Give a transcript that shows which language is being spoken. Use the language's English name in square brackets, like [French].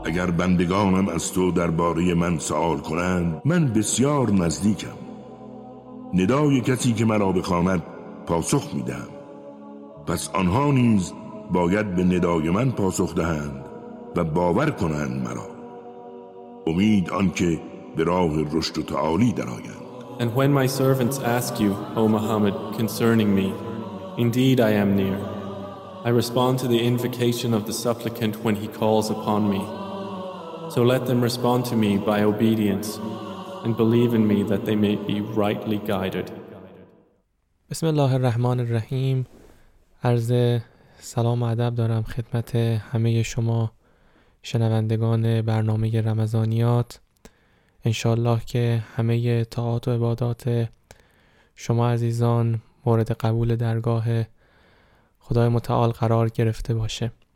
[Persian] بندگانم از تو درباره من سوال کنند، من بسیار نزدیکم. ندای کسی که مرا بخواند پاسخ میدهم، پس آنها نیز باید به ندای من پاسخ دهند و باور کنند مرا. امید آن که به راه رشد و تعالی درآیند. [English] And when my servants ask you, O Muhammad, concerning me, indeed I am near. I respond to the invocation of the supplicant when he calls upon me. So let them respond to me by obedience and believe in me that they may be rightly guided. [Persian] بسم الله الرحمن الرحیم. عرض سلام و ادب دارم خدمت همه شما شنوندگان برنامه رمضانیات. انشاءالله که همه طاعات و عبادات شما عزیزان مورد قبول درگاه خدای متعال قرار گرفته باشه.